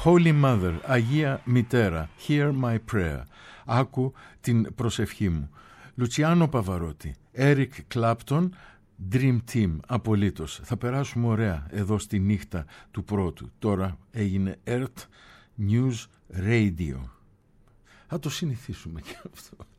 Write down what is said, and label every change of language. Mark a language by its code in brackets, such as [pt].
[en] Holy Mother, [el] Αγία Μητέρα, [en] hear my prayer. [el] Άκου την προσευχή μου. Λουτσιάνο Παβαρότη, Eric Clapton, Dream Team, απολύτως. Θα περάσουμε ωραία εδώ στη νύχτα του πρώτου. Τώρα έγινε Earth News Radio. Θα το συνηθίσουμε και αυτό.